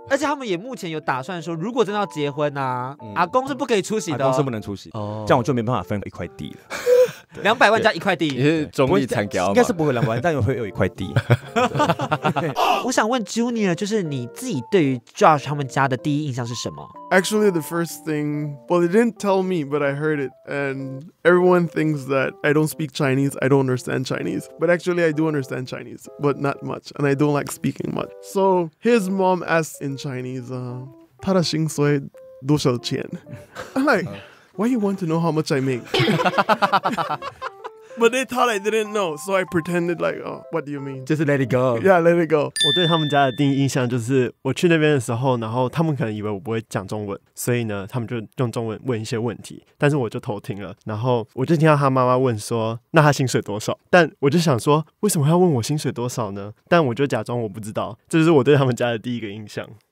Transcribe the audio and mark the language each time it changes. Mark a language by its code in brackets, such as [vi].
[zh] 而且他们也目前有打算说，如果真的要结婚啊，嗯，阿公是不可以出席的，阿公是不能出席。哦，这样我就没办法分一块地了。两百万加一块地，你是中立参加吗？应该是不会两百万，但会有一块地。我想问 Junior， 就是你自己对于 Josh 他们家的第一印象是什么？ [en] Actually, the first thing, well, they didn't tell me, but I heard it, and everyone thinks that I don't speak Chinese, I don't understand Chinese, but actually, I do understand Chinese, but not much, and I don't like speaking much. So his mom asked in Chinese, [zh] 他的薪水多少钱？ [en] I'm like. Why you want to know how much I make? But they thought I didn't know, so I pretended like, oh, what do you mean? Just let it go. Yeah, let it go. [zh] 我对他们家的第一印象就是，我去那边的时候，然后他们可能以为我不会讲中文，所以呢，他们就用中文问一些问题，但是我就偷听了，然后我就听到他妈妈问说，那他薪水多少？但我就想说，为什么要问我薪水多少呢？但我就假装我不知道，这就是我对他们家的第一个印象。